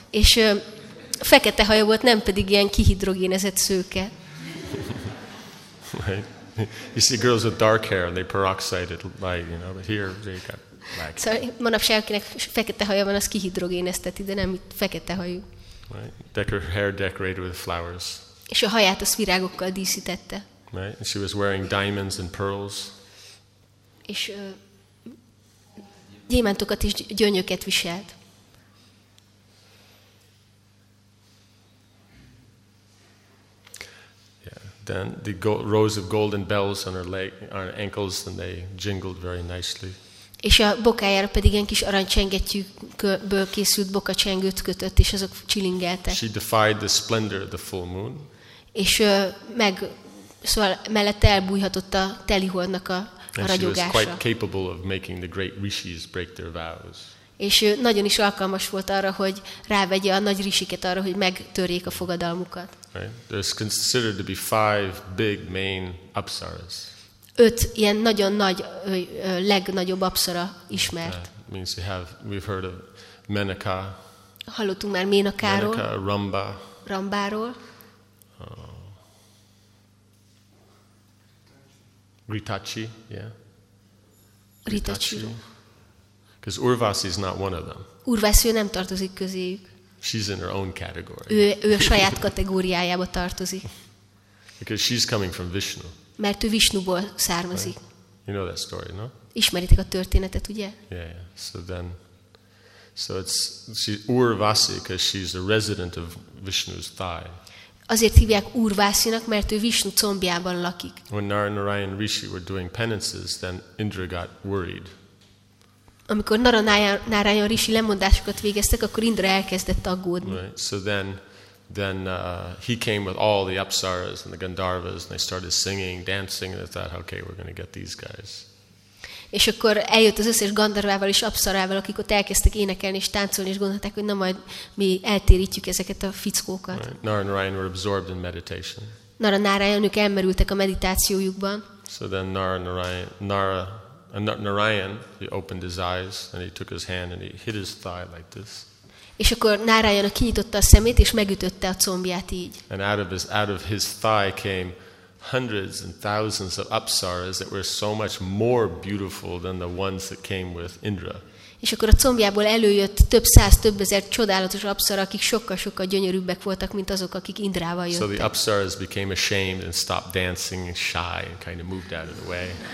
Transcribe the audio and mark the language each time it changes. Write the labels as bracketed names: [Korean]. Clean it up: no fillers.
[Hungarian] És fekete haja volt, nem pedig ilyen kihidrogénezett szőke. [English] Right. You see girls with dark hair and they peroxide it light, you know, but here they got black. [Hungarian] Szóval manapság, akinek fekete haja van, az kihidrogénezteti, de nem fekete hajú. [English] Right. Hair decorated with flowers. [Hungarian] És a haját az virágokkal díszítette. [English] Right. And she was wearing diamonds and pearls. [Hungarian] És gyémántokat is gyönyöket viselt. [English] Then the rows of golden bells on her leg, on her ankles, and they jingled very nicely. [Hungarian] És a bokájára pedig egy kis aranycsengettyűből készült bokacsengőt kötött, és azok csilingeltek. [English] She defied the splendor of the full moon. [Hungarian] És szóval mellette elbújhatott a teli holdnak a ragyogása. [English] She was quite capable of making the great rishis break their vows. [Hungarian] És nagyon is alkalmas volt arra, hogy rávegye a nagy risiket arra, hogy megtörjék a fogadalmukat. [English] Right. There's considered to be five big main apsaras. [Hungarian] Öt ilyen nagyon nagy, legnagyobb apsara ismert. [English] Means we've heard of Menaka. [Hungarian] Hallottunk már Menakáról. [English] Menaka, Ramba. [Hungarian] Rambáról. [English] Ritachi, yeah. [Hungarian] Ritachi. [English] Because Urvasi is not one of them. [Hungarian] Urvasi nem tartozik közéjük. [English] She's in her own category. [Hungarian] Ő a saját kategóriájába tartozik. [English] Because she's coming from Vishnu. [Hungarian] Mert ő Vishnuból származik. [English] You know that story, no? [Hungarian] Ismeritek a történetet, ugye? [English] Yeah. So it's Urvasi because she's a resident of Vishnu's thigh. [Hungarian] Azért hívják Urvasinak, mert ő Vishnu combjában lakik. [English] When Naranarayan Rishi were doing penances, then Indra got worried. [Hungarian] Amikor Naranarayan Rishi lemondásokat végeztek, akkor Indra elkezdett aggódni. [English] Right. So then he came with all the apsaras and the gandharvas and they started singing, dancing and they thought, okay, we're going to get these guys. [Hungarian] És akkor eljött az összes gandharvával és apsarával, akik ott elkezdtek énekelni és táncolni, és gondolták, hogy na majd mi eltérítjük ezeket a fickókat. [English] Right. Naranarayan were absorbed in meditation. [Hungarian] Naranarayan, ők elmerültek a meditációjukban. [English] So then Naranarayan, he opened his eyes and he took his hand and he hit his thigh like this. [Hungarian] És akkor Naranarayan kinyitotta a szemét és megütötte a combját így. [English] And out of his thigh came hundreds and thousands of apsaras that were so much more beautiful than the ones that came with Indra. [Hungarian] És akkor a combjából előjött több száz, több ezer csodálatos apsara, akik sokkal-sokkal gyönyörűbbek voltak, mint azok, akik Indrával jöttek. [English] So the apsaras became ashamed and stopped dancing and shy and kind of moved out of the way.